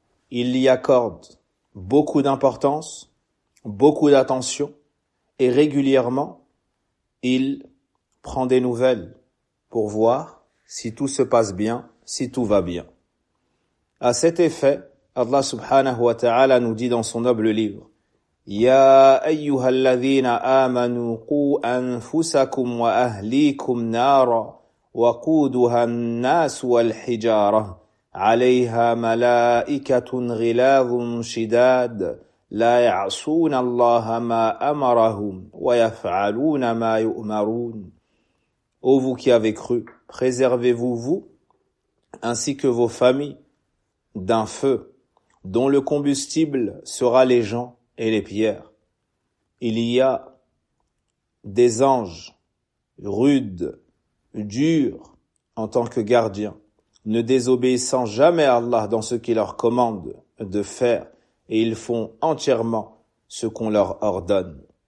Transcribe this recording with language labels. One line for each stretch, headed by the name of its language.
French: Il y accorde beaucoup d'importance, beaucoup d'attention, et régulièrement, il prend des nouvelles pour voir si tout se passe bien, si tout va bien. À cet effet, Allah subhanahu wa ta'ala nous dit dans son noble livre,
Arabic: يا أيها الذين آمنوا قوا أنفسكم وأهليكم نارا وقودها الناس والحجارة عليها ملائكة غلاظ شداد لا يعصون الله ما أمرهم ويفعلون ما يؤمرون.
French: Ô vous qui avez cru, préservez-vous vous ainsi que vos familles d'un feu dont le combustible sera les gens et les pierres. Il y a des anges rudes, durs en tant que gardiens, ne désobéissant jamais à Allah dans ce qu'il leur commande de faire, et ils font entièrement ce qu'on leur ordonne.